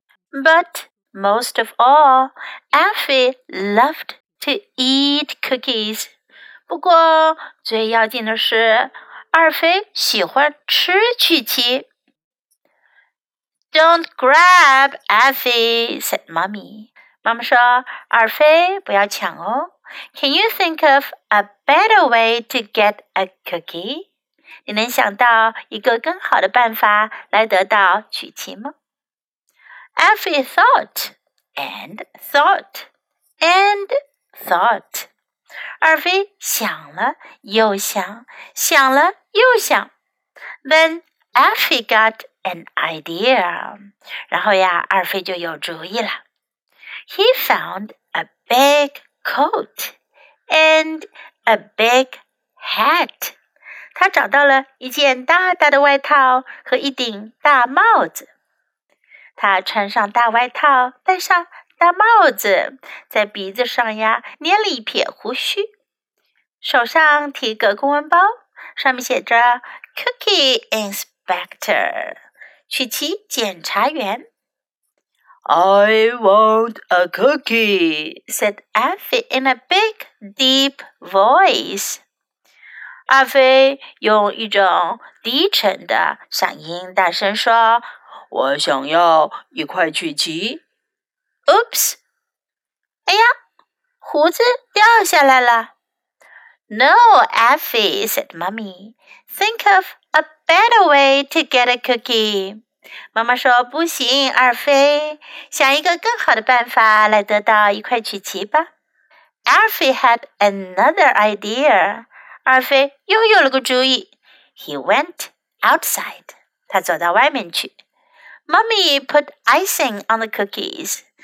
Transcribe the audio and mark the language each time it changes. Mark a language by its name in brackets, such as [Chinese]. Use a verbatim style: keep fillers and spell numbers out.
[English] But most of all, Effie loved to eat cookies. [Chinese] 不过最要紧的是，二菲喜欢吃曲奇。 [English] Don't grab, Effie, said Mommy. [Chinese] 妈妈说，二菲不要抢哦。 [English] Can you think of a better way to get a cookie? [Chinese] 你能想到一个更好的办法来得到曲奇吗 ？ [English] Effie thought and thought and thought. [Chinese] 二菲想了又想，想了又想。 [English] Then Effie got an idea. [Chinese] 然后呀，二菲就有主意了。 [English] He found a big coat and a big hat. [Chinese] 他找到了一件大大的外套和一顶大帽子。他穿上大外套，戴上大帽子，在鼻子上呀捏了一撇胡须，手上提个公文包，上面写着 Cookie Inspector 曲奇检查员。 [English] I want a cookie, said Effie in a big, deep voice. [Chinese] 阿飞用一种低沉的嗓音大声说：“ 我想要一块曲奇。” Oops！ 哎呀，胡子掉下来了。 [English] No, Effie, said Mommy. Think of a better way to get a cookie. [Chinese] 妈妈说：“不行，二飞，想一个更好的办法来得到一块曲奇吧。” [English] Effie had another idea. [Chinese] 二飞又有了个主意 [English] He went outside. [Chinese] 他走到外面去 [English] Mommy put icing on the cookies.